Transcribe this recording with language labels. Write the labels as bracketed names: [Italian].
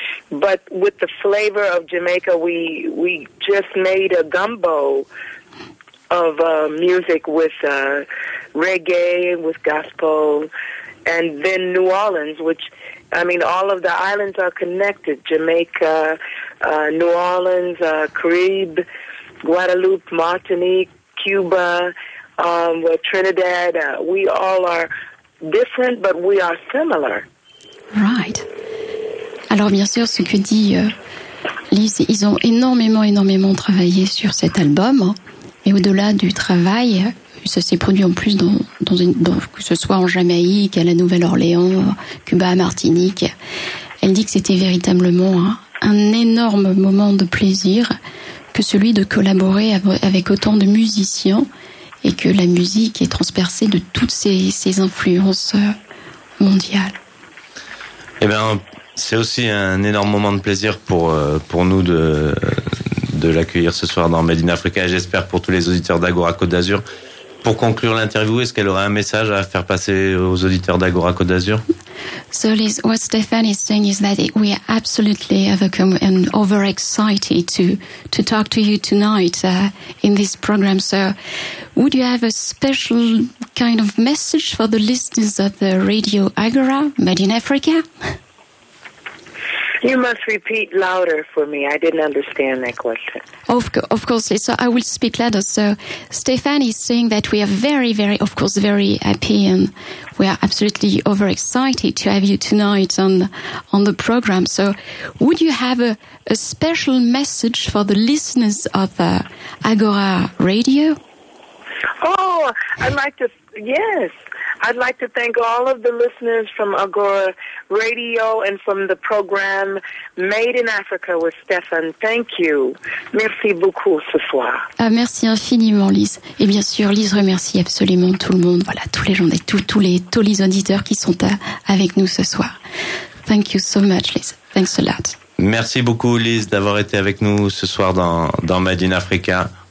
[English] But with the flavor of Jamaica, we just made a gumbo of music with reggae, with gospel, and then New Orleans, which, I mean, all of the islands are connected. Jamaica, New Orleans, Caribe, Guadeloupe, Martinique, Cuba, Trinidad. We all are different, but we are similar. Right. [French] Alors, bien sûr, ce que dit Liz, ils ont énormément, énormément travaillé sur cet album. Et au-delà du travail, ça s'est produit en plus que ce soit en Jamaïque, à la Nouvelle-Orléans, Cuba, Martinique. Elle dit que c'était véritablement un énorme moment de plaisir que celui de collaborer avec autant de musiciens et que la musique est transpercée de toutes ces influences mondiales. Eh bien, c'est aussi un énorme moment de plaisir pour nous de l'accueillir ce soir dans Made in Africa, j'espère pour tous les auditeurs d'Agora Côte d'Azur. Pour conclure l'interview, est-ce qu'elle aurait un message à faire passer aux auditeurs d'Agora Côte d'Azur? [English] So Liz, what Stéphane is saying is that we are absolutely overcome and overexcited to talk to you tonight in this program. So would you have a special kind of message for the listeners of the radio Agora, Made in Africa? You must repeat louder for me. I didn't understand that question. Of course. So I will speak louder. So Stéphane is saying that we are very, very, of course, very happy and we are absolutely overexcited to have you tonight on the program. So would you have a special message for the listeners of the Agora Radio? Oh, I'd like to thank all of the listeners from Agora Radio and from the program Made in Africa with Stéphane. Thank you. [French] Merci beaucoup ce soir. Merci infiniment, Liz. Et bien sûr, Liz remercie absolument tout le monde. Voilà, tous les gens et tous les auditeurs qui sont avec nous ce soir. [English] Thank you so much, Liz. Thanks a lot. [French] Merci beaucoup, Liz, d'avoir été avec nous ce soir dans Made in Africa.